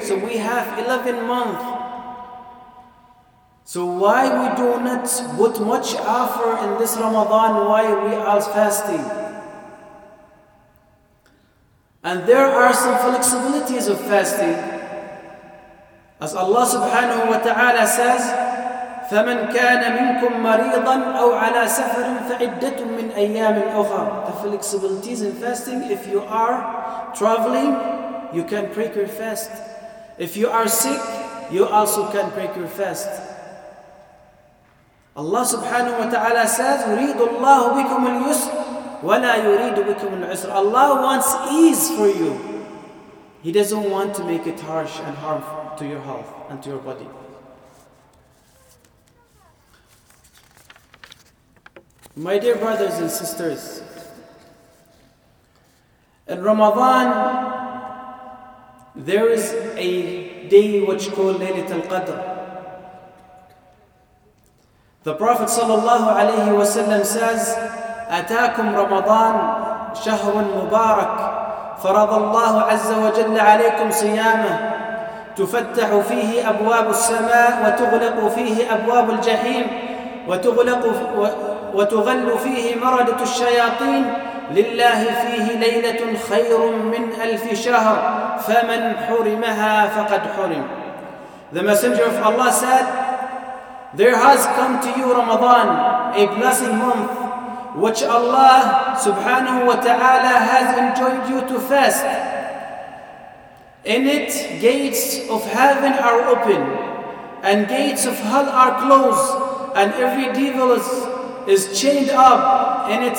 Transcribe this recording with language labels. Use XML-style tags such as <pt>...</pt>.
<en>So we have 11 months. So why we do not put much effort in this Ramadan? Why we are fasting? And there are some flexibilities of fasting. As Allah</en> <ar>subhanahu wa ta'ala</ar> <en>says,</en> <ar>فَمَنْ كَانَ مِنْكُمْ مَرِيضًا أَوْ عَلَى سَفَرٍ فَعِدَّةٌ مِّنْ أَيَّامٍ أُخَرَ.</ar> <en>The flexibilities in fasting, if you are traveling, you can break your fast. If you are sick, you also can break your fast.</en> <ar>Allah subhanahu wa ta'ala</ar> <en>says,</en> <ar>يُرِيدُ اللَّهُ بِكُمُ الْيُسْرَ وَلَا يُرِيدُ بِكُمُ الْعُسْرَ.</ar> <en>Allah wants ease for you. He doesn't want to make it harsh and harmful to your health and to your body. My dear brothers and sisters, in Ramadan, there is a day which called Laylat al-Qadr. The Prophet</en> <ar>sallallahu alayhi wa sallam</ar> <en>says,</en> <ar>أتاكم رمضان شهر مبارك فرض الله عز وجل عليكم صيامه تفتح فيه أبواب السماء وتغلق فيه أبواب الجحيم وتغلق وتغل فيه مردة الشياطين لله فيه ليلة خير من ألف شهر فمن حرمها فقد حرم.</ar> <en>The Messenger of Allah said, there has come to you Ramadan, a blessing month, which Allah subhanahu wa ta'ala has enjoined you to fast. In it, gates of heaven are open and gates of hell are closed, and every devil is chained up in it.</en>